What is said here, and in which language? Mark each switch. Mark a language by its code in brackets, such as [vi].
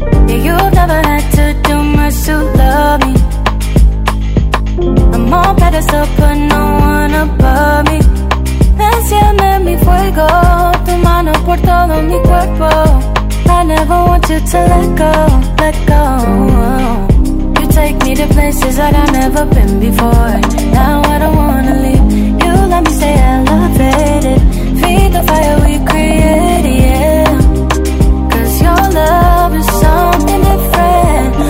[en] You've never had to do much to love me. I'm on pedestal, put no one above me. [es] Enciende mi fuego, tu mano por todo mi cuerpo. [en] I never want you to let go, let go. You take me to places that I've never been before. Now I don't wanna leave, you let me stay elevated. Feed the fire we created, yeah. Cause your love is something different.